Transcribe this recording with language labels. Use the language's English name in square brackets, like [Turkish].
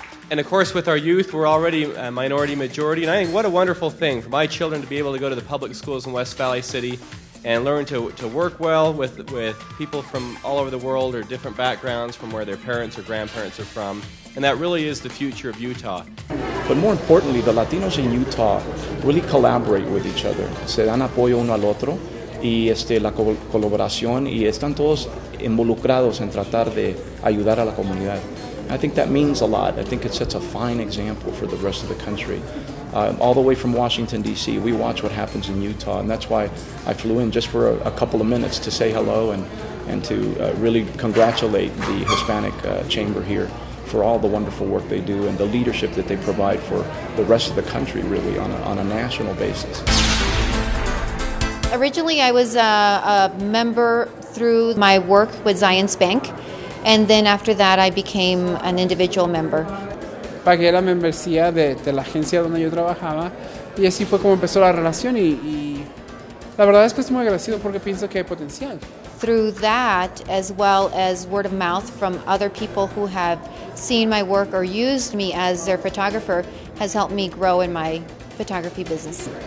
[English] And of course, with our youth, we're already a minority majority. And I think what a wonderful thing for my children to be able to go to the public schools in West Valley City and learn to work well with people from all over the world or different backgrounds from where their parents or grandparents are from. And that really is the future of Utah. But more importantly, the Latinos in Utah really collaborate with each other. [Spanish] Se dan apoyo uno al otro y la colaboración y están todos involucrados en tratar de ayudar a la comunidad. [English] I think that means a lot. I think it sets a fine example for the rest of the country. All the way from Washington, D.C., we watch what happens in Utah, and that's why I flew in just for a couple of minutes to say hello and to really congratulate the Hispanic Chamber here for all the wonderful work they do and the leadership that they provide for the rest of the country, really, on a national basis. Originally, I was a member through my work with Zions Bank. And then after that, I became an individual member. [Spanish] Pagué la membresía de la agencia donde yo trabajaba, y así fue como empezó la relación. Y la verdad es que estoy muy agradecido porque pienso que hay potencial. [English] Through that, as well as word of mouth from other people who have seen my work or used me as their photographer, has helped me grow in my photography business.